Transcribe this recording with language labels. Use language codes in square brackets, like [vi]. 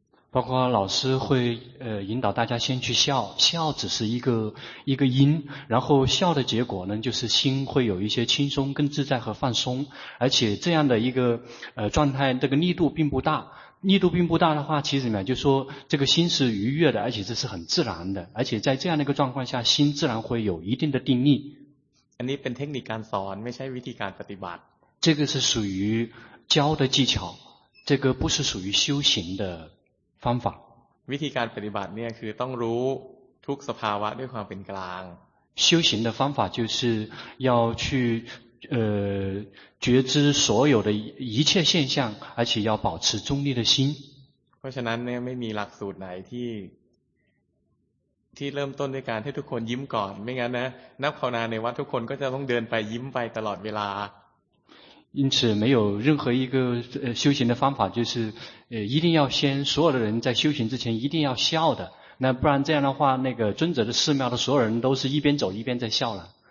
[zh] 包括老师会引导大家先去笑笑只是一个因然后笑的结果呢就是心会有一些轻松跟自在和放松而且这样的一个状态这个力度并不大的话其实呢就说这个心是愉悦的而且这是很自然的而且在这样的一个状况下心自然会有一定的定力 [th] อันนี้เป็นเทคนิคการสอนไม่ใช่วิธีการปฏิบัติ [zh] 这个是属于教的技巧这个不是属于修行的方法 [th] วิธีการปฏิบัติเนี่ยคือต้องรู้ทุกสภาวะด้วยความเป็นกลาง [zh] 修行的方法就是要去觉知所有的一切现象而且要保持中立的心 [th] เพราะฉะนั้นเนี่ยไม่มีหลักสูตรไหนที่เริ่มต้นด้วยการให้ทุกคนยิ้มก่อนไม่งั้นนะนักภาวนาในวัดทุกคนก็จะต้องเดินไปยิ้มไปตลอดเวลา [zh] 因此没有任何一个修行的方法就是一定要先所有的人在修行之前一定要笑的那不然这样的话那个尊者的寺庙的所有人都是一边走一边在笑了